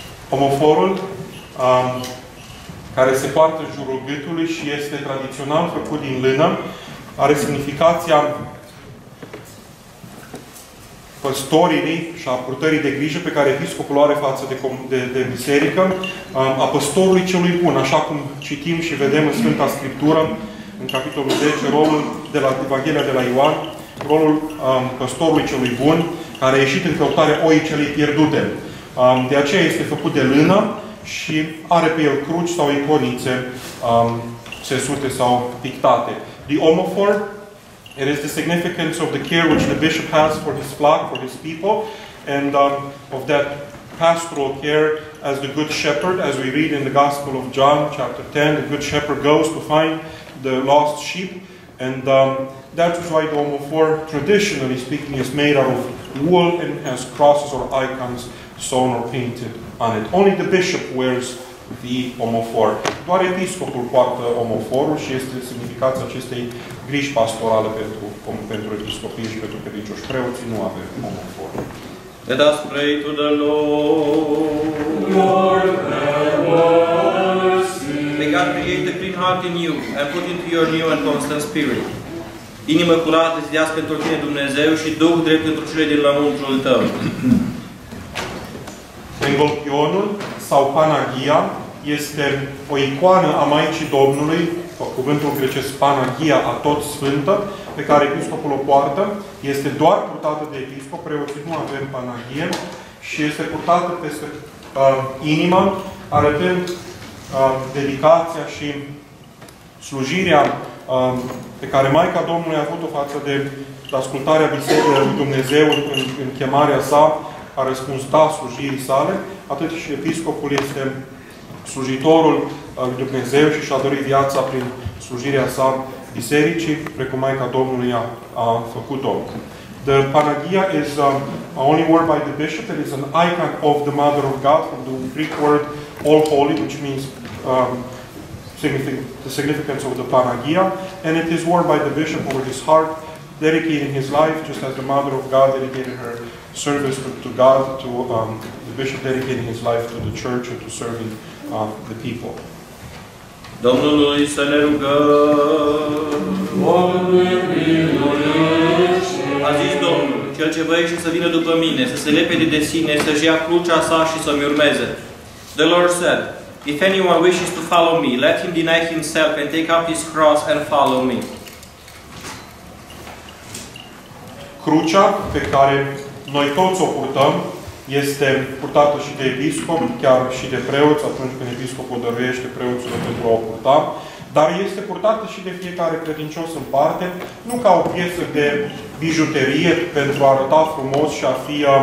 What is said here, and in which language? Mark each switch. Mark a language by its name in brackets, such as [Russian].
[Romanian] Omoforul care se poartă jurul gâtului și este tradițional făcut din lână, are semnificația păstoririi și a purtării de grijă pe care episcopul o are față de biserică, a păstorului celui bun, așa cum citim și vedem în Sfânta Scriptură, în capitolul 10, rolul de la Evanghelia de la Ioan, rolul păstorului celui bun, care a ieșit în căutare oii celei pierdute. De aceea este făcut de lână și are pe el cruci sau iconițe țesute sau pictate. [English] The omophor, it is the significance of the care which the bishop has for his flock, for his people, and of that pastoral care as the good shepherd, as we read in the Gospel of John, chapter 10, the good shepherd goes to find the lost sheep, and that is why the omophor, traditionally speaking, is made out of wool and has crosses or icons sewn or painted on it. Only the bishop wears the omofor. [Romanian] Doar episcopul poartă omoforul și este semnificația acestei griji pastorale pentru episcopii și pentru credincioși. Preoții nu avem omofor. [English] Let us pray to the Lord. Lord, have mercy. May God create a clean heart in you and put into your new and constant spirit. [Romanian] Inimă curată îți dească pentru tine Dumnezeu și Duh drept pentru cele din lăuntrul tău. Engolpionul sau Panagia este o icoană a Maicii Domnului, cuvântul grecesc Panagia, a tot sfântă, pe care episcopul o poartă. Este doar purtată de episcop, preoții nu avem Panagie, și este purtată peste inima, arătând dedicația și slujirea pe care Maica Domnului a avut-o față de ascultarea Bisericii lui Dumnezeu în chemarea sa, a răspuns da slujirii sale, atât și episcopul este slujitorul lui Dumnezeu și și-a dorit viața prin slujirea sa bisericii, precum Maica Domnului a făcut-o. [English] The Panagia is only worn by the bishop. It is an icon of the Mother of God, from the Greek word all holy, which means the significance of the Panagia. And it is worn by the bishop over his heart, dedicating his life, just as the Mother of God dedicated her service to God, to the bishop dedicating his life to the church and to serving the people. [Romanian] Domnului să ne rugăm. Doamne, miluiește! A zis Domnul, cel ce voiește să vină după mine, să se lepede de sine, să-și ia crucea sa și să-mi urmeze. [English] The Lord said, if anyone wishes to follow me, let him deny himself and take up his cross and follow me. [Romanian] Crucea pe care noi toți o purtăm, este purtată și de episcop, chiar și de preoți, atunci când episcopul dăruiește preoțul pentru a o purta, dar este purtată și de fiecare credincios în parte, nu ca o piesă de bijuterie pentru a arăta frumos și a fi